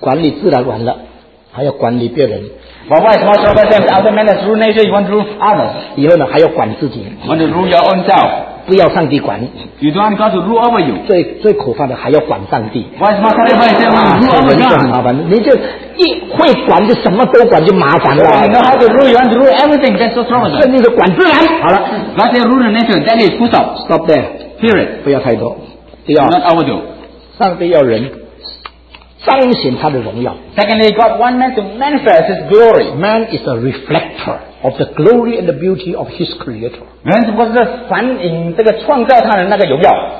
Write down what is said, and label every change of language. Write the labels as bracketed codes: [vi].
[zh] 最麻烦的人，管理自然完了，还要管理别人。 [en] But why small children say other men as rule nature, you want to rule others? [zh] 以后呢，还要管自己。 [en] Want to rule your own self? [zh] 不要上帝管。 [en] You don't want God to rule over you? [zh] 最苦烦的还要管上帝。 [en] Why small children say rule over God? [zh] 这很麻烦，你就一会管就什么都管，就麻烦了。 [en] You know how to rule, you want to rule everything, that's so troublesome. [zh] 圣经的管自然。好了。 [en] God say rule nature, that is full stop. Stop there. Period. [zh] 不要太多。第二。 [en] Not overdo. [zh] 上帝要人。彰显他的荣耀. [en] Secondly, God wants man to manifest his glory. Man is a reflector of the glory and the beauty of his creator. Man was the [zh] 反映这个创造他的那个荣耀.